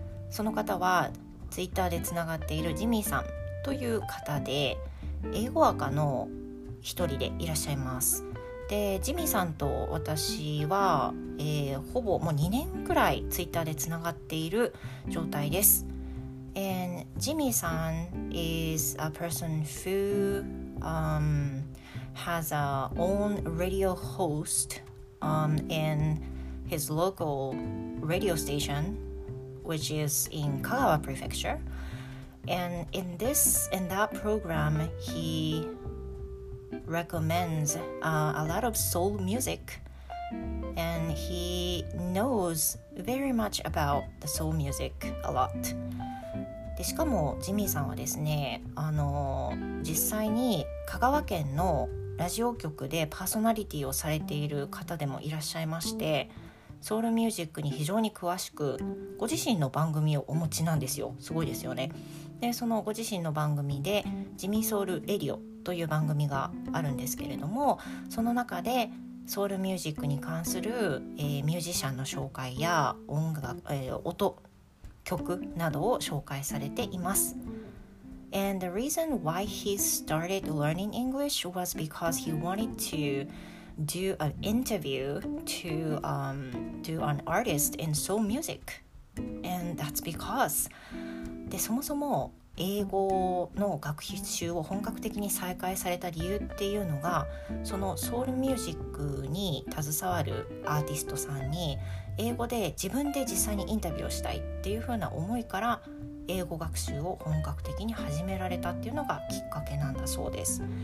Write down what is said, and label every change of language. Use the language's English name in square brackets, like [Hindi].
[Japanese] その方はツイッターでつながっているジミーさんという方で、英語アカの一人でいらっしゃいます。でジミーさんと私は、ほぼもう2年くらいツイッターでつながっている状態です。 [English] And Jimmy-san is a person who has a own radio host in his local radio station, which is in Kagawa Prefecture. And in that program, he recommends a lot of soul music, and he knows very much about the soul music a lot. [Japanese] でしかもジミーさんはですね、実際に香川県のラジオ局でパーソナリティをされている方でもいらっしゃいまして、ソウルミュージックに非常に詳しく、ご自身の番組をお持ちなんですよ。すごいですよね。でそのご自身の番組でジミーソウルレディオという番組があるんですけれども、その中でソウルミュージックに関する、ミュージシャンの紹介や音楽、音曲などを紹介されています。 [English] And the reason why he started learning English was because he wanted to do an interview to do an artist in soul music. And that's because [Japanese] でそもそも英語の学習を本格的に再開された理由っていうのが、そのソウルミュージックに携わるアーティストさんに英語で自分で実際にインタビューをしたいっていう風な思いから英語学習を本格的に始められたっていうのがきっかけなんだそうです。